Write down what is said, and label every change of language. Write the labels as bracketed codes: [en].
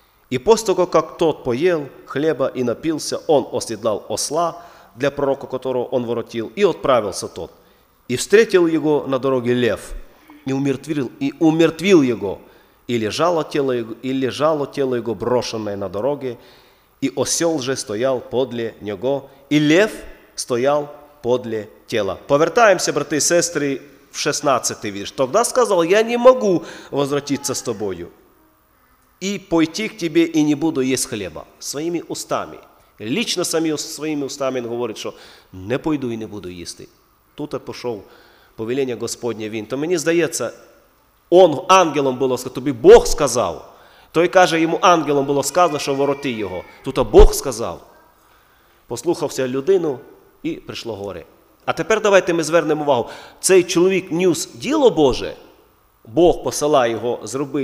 [ru] И после того, как тот поел хлеба и напился, он оседлал осла для пророка, которого он воротил, и отправился тот. И встретил его на дороге лев, и умертвил его, и лежало тело его брошенное на дороге, и осел же стоял подле него, и лев стоял подле тела. [uk] Повертаемся, брати и сестри, в 16-й вірш. [ru] Тогда сказал, я не могу возвратиться с тобою, и пойти к тебе, и не буду есть хлеба. Своими устами, лично своими устами он говорит, что не пойду и не буду есть. Тут я пошел, повеление Господне, він. [uk] То мені здається, он ангелом було сказано, тобі Бог сказав. Той каже, йому ангелом було сказано, що вороти його. Тут Бог сказав. Послухався людину і прийшло горе. А тепер давайте ми звернемо увагу. Цей чоловік ніс діло Боже, Бог посилає його, зроби.